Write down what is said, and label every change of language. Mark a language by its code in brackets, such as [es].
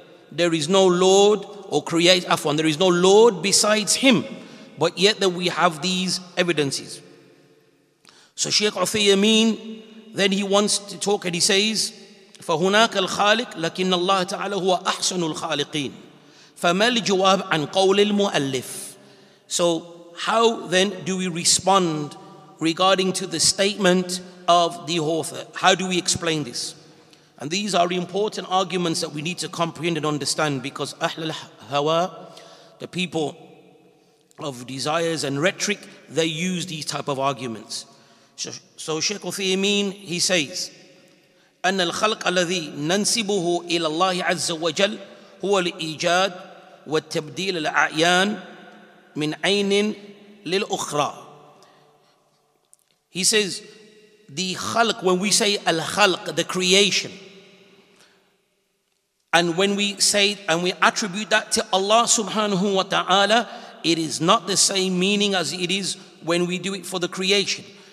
[en] There is no Lord or create afwan. There is no Lord besides him. But yet that we have these evidences. So Shaykh Uthaymeen, then he wants to talk and he says, [ar] فهناك الخالق لكن الله تعالى هو أحسن الخالقين. فما الجواب عن قول المؤلف. [en] So how then do we respond regarding to the statement of the author? How do we explain this? And these are important arguments that we need to comprehend and understand, because Ahl al-Hawa, the people of desires and rhetoric, they use these type of arguments. So Shaykh Uthaymeen, he says, [ar] أَنَّ الْخَلْقَ الَّذِي نَنْسِبُهُ إِلَى اللَّهِ عَزَّ وَجَلْ هُوَ الْإِيجَادِ وَالْتَبْدِيلِ الْأَعْيَانِ مِنْ عَيْنٍ لِلْأُخْرَى. [en] He says, the khalq, when we say al-khalq, the creation, and when we say, and we attribute that to Allah subhanahu wa ta'ala, it is not the same meaning as it is when we do it for the creation.